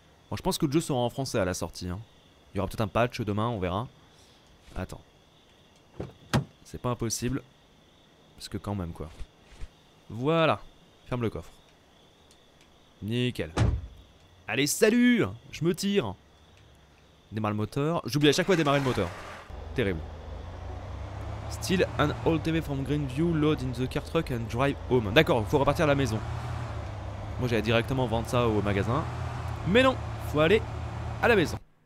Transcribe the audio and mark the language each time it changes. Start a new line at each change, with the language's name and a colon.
French: Bon, je pense que le jeu sera en français à la sortie. Hein. Il y aura peut-être un patch demain, on verra. Attends. C'est pas impossible. Parce que quand même, quoi. Voilà. Ferme le coffre. Nickel. Allez, salut! Je me tire. Démarre le moteur. J'oublie à chaque fois de démarrer le moteur. Terrible.
English: Steal an old TV from Greenview, load in the car truck and drive home.
French: D'accord, faut repartir à la maison. Moi j'allais directement vendre ça au magasin. Mais non, faut aller à la maison.